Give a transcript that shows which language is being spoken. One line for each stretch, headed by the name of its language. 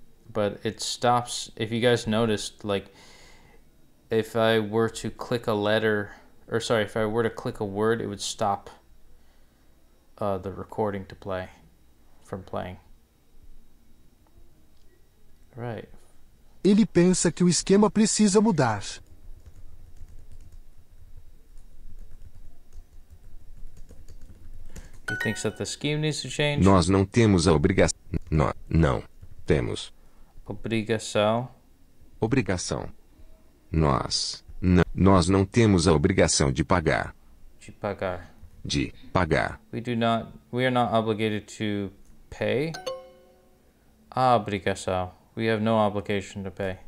English: But it stops, if you guys noticed, like, if I were to click a letter, or sorry, if I were to click a word, it would stop the recording to play, from playing. Right.
Portuguese: Ele pensa que o esquema precisa mudar.
English: He thinks that the scheme needs to change.
Portuguese: Nós não temos a obrigação. Não temos. Obrigação. Obrigação. Nós não temos a obrigação de pagar. De pagar. De pagar.
English: We do not. We are not obligated to pay. Obrigação. We have no obligation to pay.